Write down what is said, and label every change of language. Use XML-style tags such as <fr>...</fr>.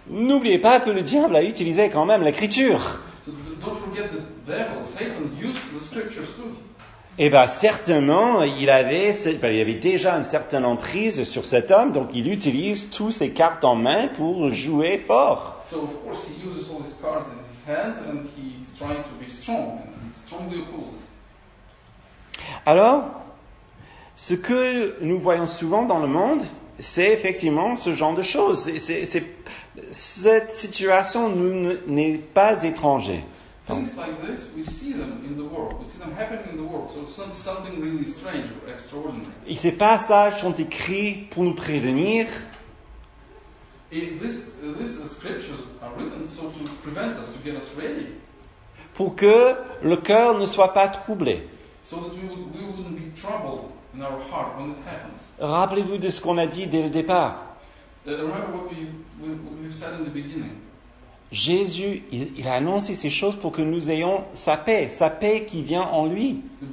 <fr>N'oubliez pas que le diable a utilisé quand même l'Écriture.</fr> <en>So don't forget the devil, Satan used the Scriptures too.</en> <fr>Eh bien, certainement, il avait déjà une certaine emprise sur cet homme, donc il utilise toutes ses cartes en main pour jouer fort.</fr> <en>So, of course, he uses all his cards in his hands and he's trying to be strong and he strongly opposes.</en> <fr>Alors, ce que nous voyons souvent dans le monde, c'est effectivement ce genre de choses. Cette situation n'est pas étrangère.</fr> <en>Things like this, we see them in the world. We see them happening in the world. So it's not something really strange or extraordinary.</en> <fr>Et ces passages sont écrits pour nous prévenir.</fr> <en>These scriptures are written so to prevent us, to get us ready.</en> <fr>Pour que le cœur ne soit pas troublé.</fr> <en>So that we wouldn't be troubled in our heart when it happens.</en> <fr>Rappelez-vous de ce qu'on a dit dès le départ.</fr> <en>Remember what we've said in the beginning.</en> <fr>Jésus, il a annoncé ces choses pour que nous ayons sa paix qui vient en lui.</fr>